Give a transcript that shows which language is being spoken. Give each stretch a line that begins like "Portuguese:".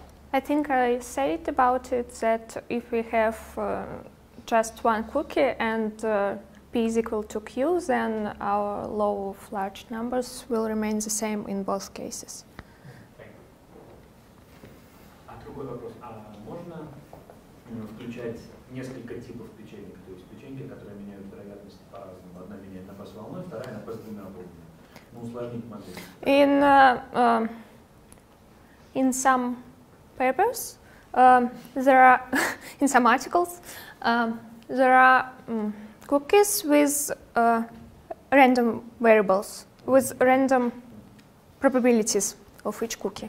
English: I think I said about it that if we have just one cookie and p is equal to q, then our law of large numbers will remain the same in both cases.
Russian: А другой вопрос. А можно включать несколько типов печенек? То есть печеньки, которые меняют вероятность по-разному. Одна меняет на пост волной, вторая на пост двумя волнами. Ну, усложнить модель.
English: In some papers, there are in some articles, there are cookies with random variables, with random probabilities of each cookie.